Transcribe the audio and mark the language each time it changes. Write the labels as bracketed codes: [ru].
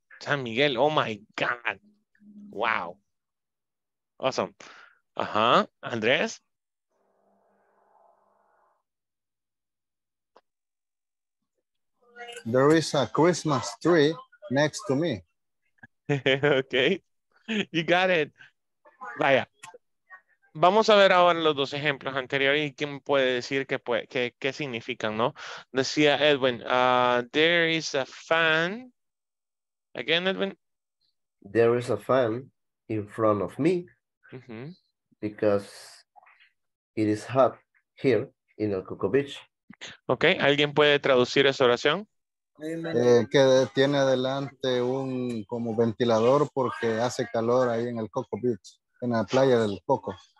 [en] San Miguel, oh my God. Wow. Awesome. [es] Ajá, Andrés. [en] There is a Christmas tree next to me. Okay, you got it. Vaya, [es] Vamos a ver ahora los dos ejemplos anteriores y quién puede decir qué significan, ¿no? [en] Decía Edwin, there is a fan. Again, Edwin. There is a fan in front of me because it is hot here in El Coco Beach. [es] Ok, ¿alguien puede traducir esa oración? Que tiene adelante un como ventilador porque hace calor ahí en el Coco Beach, en la playa del Coco.